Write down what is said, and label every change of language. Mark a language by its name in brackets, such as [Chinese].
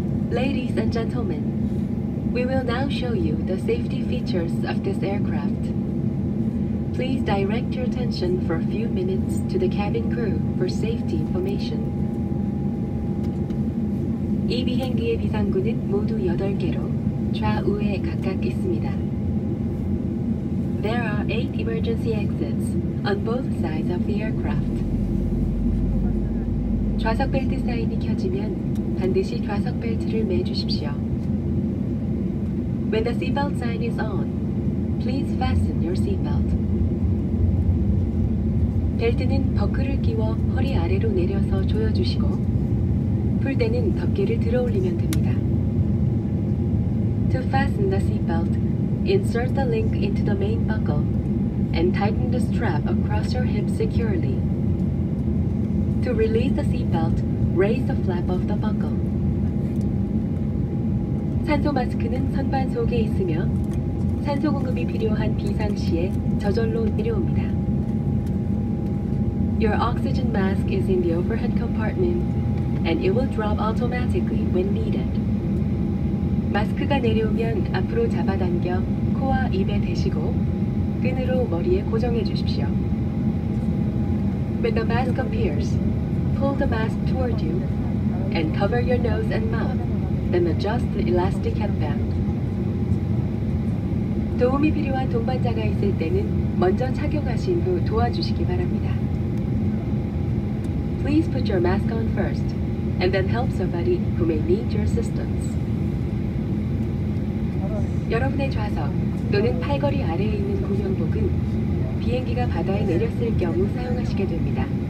[English] Ladies and gentlemen, we will now show you the safety features of this aircraft. Please direct your attention for a few minutes to the cabin crew for safety information. [Korean] 이 비행기의 비상구는 모두 8개로 좌우에 각각 있습니다. [English] There are 8 emergency exits on both sides of the aircraft. [Korean] 좌석 벨트 사인이 켜지면 반드시 좌석 벨트를 매주십시오. [English] When the seatbelt sign is on, please fasten your seatbelt. [Korean] 벨트는 버클을 끼워 허리 아래로 내려서 조여주시고 풀 때는 덮개를 들어올리면 됩니다. [English] To fasten the seatbelt, insert the link into the main buckle and tighten the strap across your hip securely. To release the seatbelt, raise the flap of the buckle. [Korean] 산소 마스크는 선반 속에 있으며 산소 공급이 필요한 비상 시에 저절로 내려옵니다. [English] Your oxygen mask is in the overhead compartment and it will drop automatically when needed. [Korean] 마스크가 내려오면 앞으로 잡아당겨 코와 입에 대시고 끈으로 머리에 고정해 주십시오. [English] When the mask appears, pull the mask toward you and cover your nose and mouth, then adjust the elastic headband. [Korean] 도움이 필요한 동반자가 있을 때는 먼저 착용하신 후 도와주시기 바랍니다. [English] Please put your mask on first and then help somebody who may need your assistance. [Korean] 여러분의 좌석 또는 팔걸이 아래에 있는 구명복은 비행기가 바다에 내렸을 경우 사용하시게 됩니다.